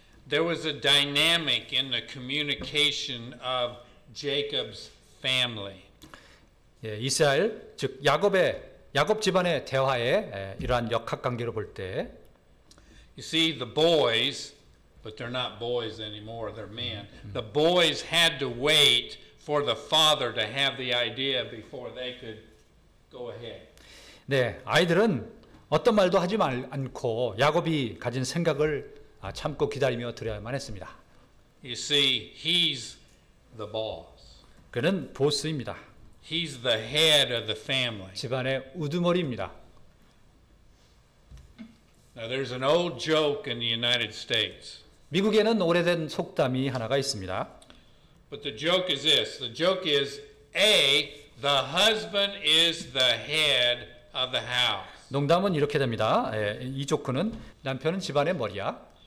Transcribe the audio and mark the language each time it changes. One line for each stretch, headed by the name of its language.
English: There was a dynamic in the communication of Jacob's family.
Korean: 예, 이스라엘 즉 야곱 집안의 대화에 이러한 역학 관계로 볼 때
English: You see the boys, but they're not boys anymore. They're men. The boys had to wait for the father to have the idea before they could go ahead.
Korean: 네, 아이들은 어떤 말도 하지 않고 야곱이 가진 생각을 참고 기다리며 들어야만 했습니다.
English: You see, he's the boss.
Korean: 그는 보스입니다.
English: He's the head of the family.
Korean: 집안의 우두머리입니다.
English: Now there's an old joke in the United States.
Korean: 미국에는 오래된 속담이 하나가 있습니다.
English: But the joke is this. The joke is A, the husband is the head of the house.
Korean: 농담은 이렇게 됩니다. 예, 이 조크는 남편은 집안의 머리야.